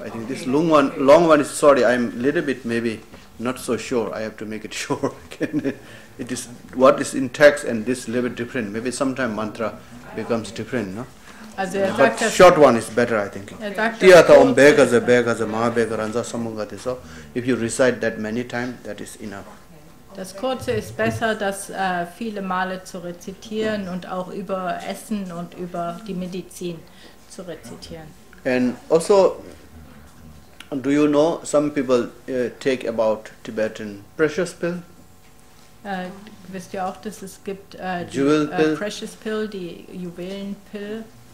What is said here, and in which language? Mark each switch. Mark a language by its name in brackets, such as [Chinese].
[English] I think this long one, long one is, sorry, I'm a little bit maybe not so sure. I have to make it sure. It is what is in text and this a little bit different. Maybe sometime mantra becomes different, no? Also but short one is better, I think. [Sanskrit] Tiyata om bekhaze bekhaze ma bekhaze ranza samungate. [English] So if you recite that many times, that is enough. [German] Das Kurze ist besser, das viele Male zu rezitieren und auch über Essen und über die Medizin zu rezitieren. [English] And also, do you know, some people take about Tibetan precious pill? [German] Wisst ihr auch, dass es gibt precious pill, die Juwelenpill?